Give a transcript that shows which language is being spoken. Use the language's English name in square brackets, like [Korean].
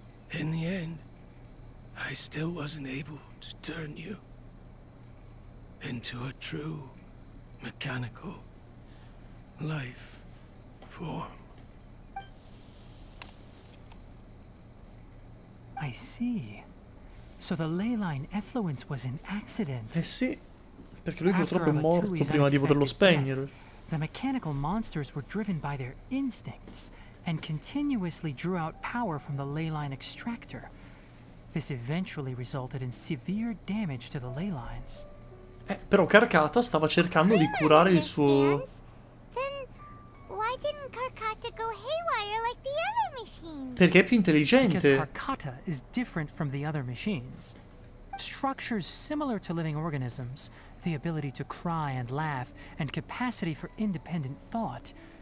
[English] In the end, I still wasn't able to turn you into a true mechanical life form. I see. So the ley line effluence was an accident. [Italian] Eh sì, perché lui purtroppo è morto prima di poterlo spegnere. [English] The mechanical monsters were driven by their instincts and continuously drew out power from the ley line extractor. This eventually resulted in severe damage to the ley lines. [Italian] Però Carcata stava cercando di curare il suo. [English] Then why didn't Carcata go haywire like the other machines? [Italian] Perché è più intelligente. [English] Because Carcata is different from the other machines. Structures similar to living organisms, the ability to cry and laugh, and capacity for independent thought.